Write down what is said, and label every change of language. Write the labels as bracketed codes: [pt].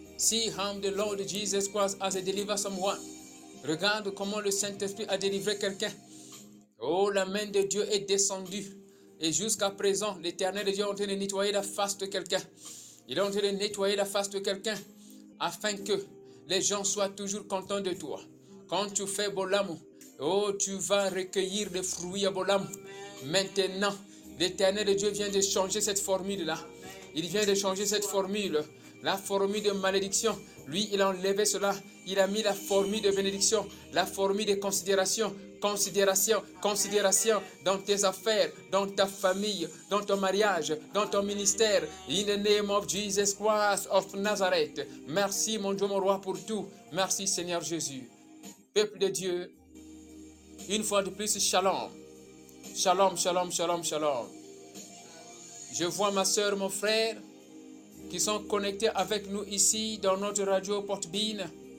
[en] See how the Lord Jesus Christ has delivered someone. [fr] Regarde comment le Saint-Esprit a délivré quelqu'un. Oh, la main de Dieu est descendue. Et jusqu'à présent, l'éternel Dieu est en train de nettoyer la face de quelqu'un. Il est en train de nettoyer la face de quelqu'un afin que les gens soient toujours contents de toi. Quand tu fais Bolam, oh, tu vas recueillir des fruits à Bolam. Maintenant, l'éternel Dieu vient de changer cette formule-là. Il vient de changer cette formule. La formule de malédiction, lui, il a enlevé cela. Il a mis la formule de bénédiction, la formule de considération. Considération, considération dans tes affaires, dans ta famille, dans ton mariage, dans ton ministère. [en] In the name of Jesus Christ of Nazareth. [fr] Merci mon Dieu, mon roi pour tout. Merci Seigneur Jésus. Peuple de Dieu, une fois de plus, shalom. Shalom, shalom, shalom, shalom. Je vois ma soeur, mon frère, qui sont connectés avec nous ici dans notre radio Portbine.